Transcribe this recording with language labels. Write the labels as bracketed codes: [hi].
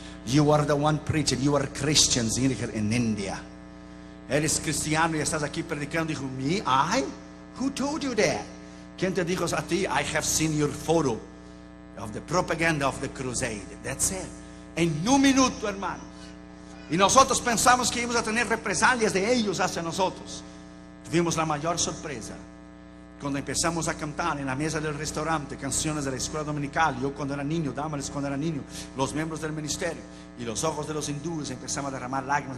[en] You are the one preaching, you are Christians in India. [es] Él es cristiano y estás aquí predicando. Dijo: [en] me, I? Who told you that? [es] ¿Quién te dijo a ti? [en] I have seen your photo of the propaganda of the crusade. That's it. [es] En un minuto, hermano. Y nosotros pensamos que íbamos a tener represalias de ellos hacia nosotros. Tuvimos la mayor sorpresa cuando empezamos a cantar en la mesa del restaurante canciones de la escuela dominical. Yo cuando era niño, Damaris cuando era niño, los miembros del ministerio, y los ojos de los hindúes empezaban a derramar lágrimas.